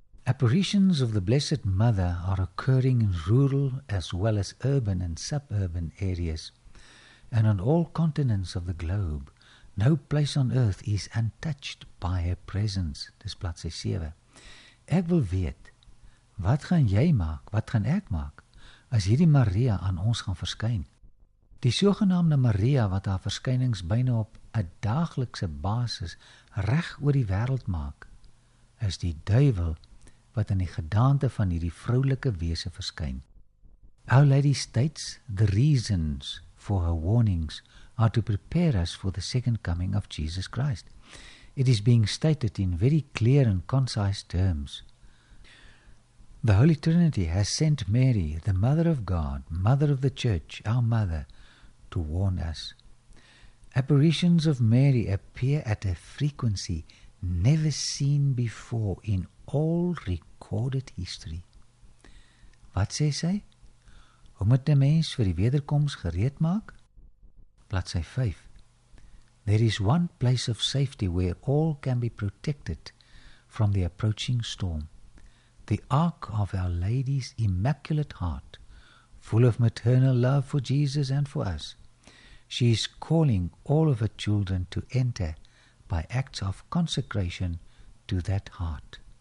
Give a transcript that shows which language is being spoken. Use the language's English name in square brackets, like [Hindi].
[English] Apparitions of the Blessed Mother are occurring in rural as well as urban and suburban areas, and on all continents of the globe, no place on earth is untouched by her presence, [Afrikaans] dis plaas 7. Ek wil weet, wat gaan jy maak, wat gaan ek maak, as hierdie Maria aan ons gaan verskyn? Die sogenaamde Maria wat haar verskynings byna op 'n daaglikse basis reg oor die wêreld maak, is die duiwel wat in die gedaante van hierdie vroulike wese verskyn. [English] Our Lady states, the reasons for her warnings are to prepare us for the second coming of Jesus Christ. It is being stated in very clear and concise terms. The Holy Trinity has sent Mary, the Mother of God, Mother of the Church, our Mother, to warn us. Apparitions of Mary appear at a frequency never seen before in all recorded history. [Afrikaans] Wat sê sy? Hoe moet die mens vir die wederkoms gereed maak? Bladsy 5. [English] There is one place of safety where all can be protected from the approaching storm. The Ark of Our Lady's Immaculate Heart, full of maternal love for Jesus and for us. She is calling all of her children to enter by acts of consecration to that heart.